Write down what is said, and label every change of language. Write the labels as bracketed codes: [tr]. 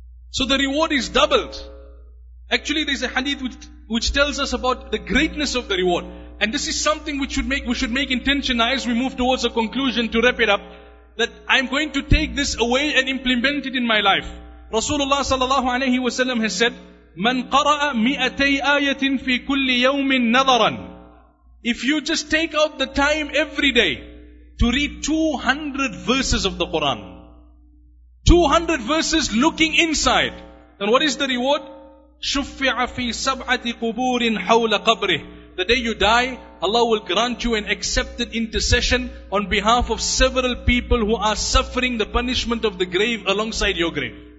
[en] So the reward is doubled. Actually, there's a hadith which tells us about the greatness of the reward. And this is something we should make intention now as we move towards a conclusion to wrap it up. that I'm going to take this away and implement it in my life. [ar] Rasulullah sallallahu alayhi wa sallam [en] has said, [ar] مَنْ قَرَأَ مِئَتَيْ آيَةٍ فِي كُلِّ يَوْمٍ نَظَرًا. [en] If you just take out the time every day to read 200 verses of the Quran, 200 verses looking inside, then what is the reward? [ar] شُفِّعَ فِي سَبْعَةِ قُبُورٍ حَوْلَ قَبْرِهِ. [en] The day you die, Allah will grant you an accepted intercession on behalf of several people who are suffering the punishment of the grave alongside your grave.